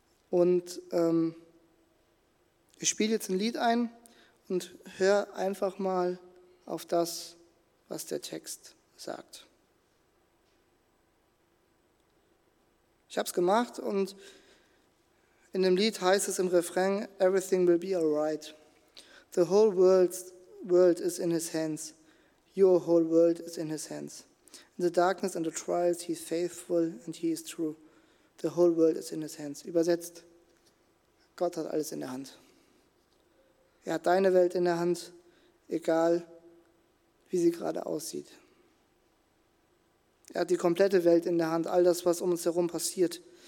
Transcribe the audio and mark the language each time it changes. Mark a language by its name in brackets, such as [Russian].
[German] Und ich spiele jetzt ein Lied ein und hör einfach mal auf das, was der Text sagt. Ich habe es gemacht und in dem Lied heißt es im Refrain, [English] everything will be alright. The whole world is in his hands. Your whole world is in his hands. In the darkness and the trials, he is faithful and he is true. The whole world is in his hands. [German] Übersetzt, Gott hat alles in der Hand. Er hat deine Welt in der Hand, egal wie sie gerade aussieht. Er hat die komplette Welt in der Hand, all das, was um uns herum passiert.